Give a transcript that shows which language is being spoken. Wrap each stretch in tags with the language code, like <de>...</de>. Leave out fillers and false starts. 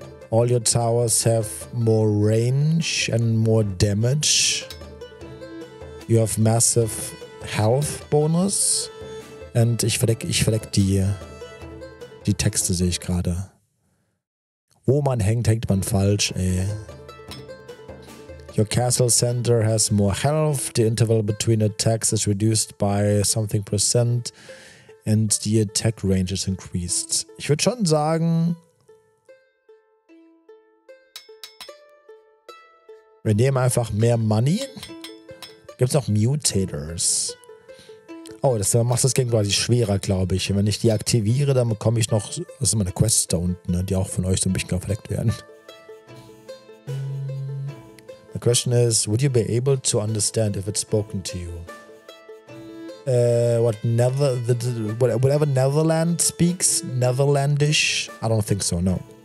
<en>All your towers have more range and more damage. You have massive health bonus.</en> <de>Und ich verdeck die Texte, sehe ich gerade. Wo man hängt, hängt man falsch, ey.</de> <en>Your castle center has more health. The interval between attacks is reduced by something percent. And the attack range is increased.</en> <de>Ich würde schon sagen, wir nehmen einfach mehr Money. Gibt's noch Mutators? Oh, das macht das Game quasi schwerer, glaube ich. Wenn ich die aktiviere, dann bekomme ich noch, das sind meine Quests da unten, ne, die auch von euch so ein bisschen verdeckt werden.</de> <en>The question is, would you be able to understand if it's spoken to you? Whatever Netherland speaks, Netherlandish? I don't think so, no.</en>